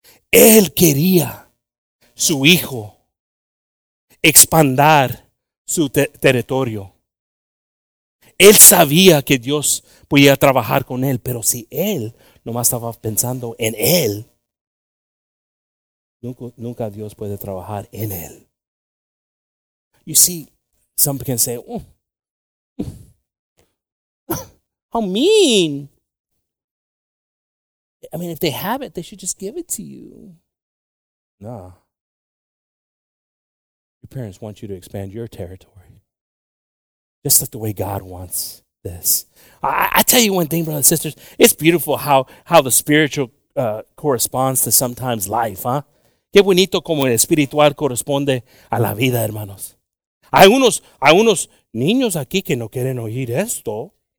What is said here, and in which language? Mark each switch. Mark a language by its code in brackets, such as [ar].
[es] Él quería su hijo expandar su territorio. Él sabía que Dios podía trabajar con él, pero si él nomás estaba pensando en él, nunca Dios puede trabajar en él. [en] You see, some can say, oh, how mean. I mean, if they have it, they should just give it to you. No. Your parents want you to expand your territory. Just like the way God wants this. I tell you one thing, brothers and sisters. It's beautiful how the spiritual corresponds to sometimes life, huh? [es] Qué bonito como el espiritual corresponde a la vida, hermanos. Hay unos niños aquí que no quieren oír esto.